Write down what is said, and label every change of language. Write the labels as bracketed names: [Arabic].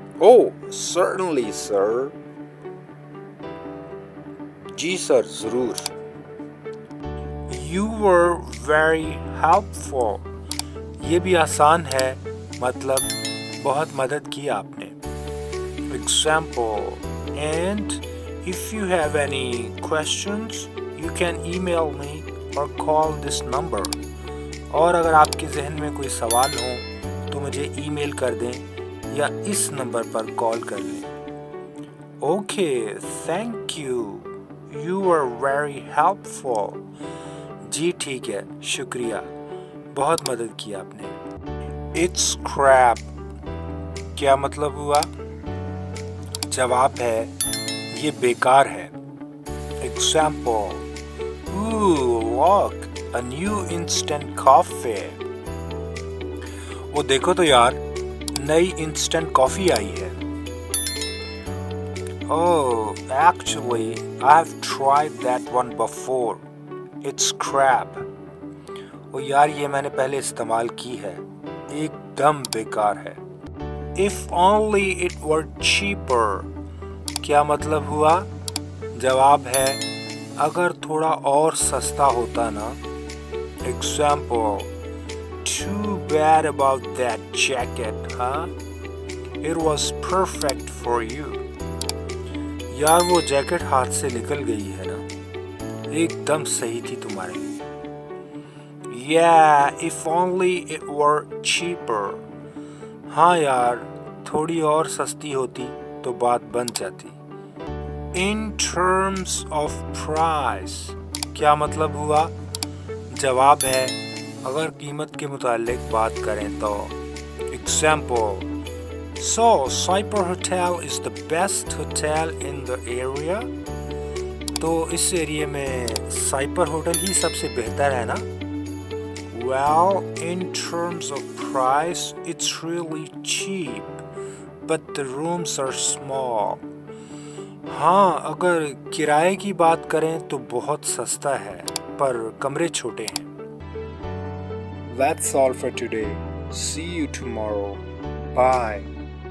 [English] Oh, certainly, sir. [Hindi] जी sir, जरूर. [English] You were very helpful. [Hindi] ये भी आसान है, मतलब बहुत मदद की आपने. [English] Example, and if you have any questions, you can email me or call this number. [Hindi] और अगर आपके जहन में कोई सवाल हो तो मुझे ईमेल कर दें या इस नंबर पर कॉल कर लें. [English] Okay, thank you. You were very helpful. [Hindi] जी ठीक है, शुक्रिया, बहुत मदद की आपने. [English] It's crap. [Hindi] क्या मतलब हुआ? जवाब है, ये बेकार है. [English] Example. Ooh, look, a new instant coffee. [Hindi] वो देखो तो यार, नई इंस्टेंट कॉफी आई है. [English] Oh, actually, I've tried that one before. It's crap. [Hindi] ओ यार, ये मैंने पहले इस्तेमाल की है. एकदम बेकार है. [English] If only it were cheaper. [Hindi] क्या मतलब हुआ? जवाब है, अगर थोड़ा और सस्ता होता ना. [English] Example. Too bad about that jacket, huh? It was perfect for you. [Hindi] यार वो जैकेट हाथ से निकल गई है ना, एकदम सही थी तुम्हारे लिए. [English] Yeah, if only it were cheaper. [Hindi] हाँ यार, थोड़ी और सस्ती होती तो बात बन जाती. [English] In terms of price. [Hindi] क्या मतलब हुआ? जवाब है, अगर कीमत के मुताबिक बात करें तो. [English] Example. So, Cyper Hotel is the best hotel in the area? [Hindi] तो इस एरिया में साइपर होटल ही सबसे बेहतर है ना? [English] Well, in terms of price, it's really cheap, but the rooms are small. [Hindi] हाँ, अगर किराए की बात करें तो बहुत सस्ता है, पर कमरे छोटे हैं. [English] That's all for today. See you tomorrow. Bye.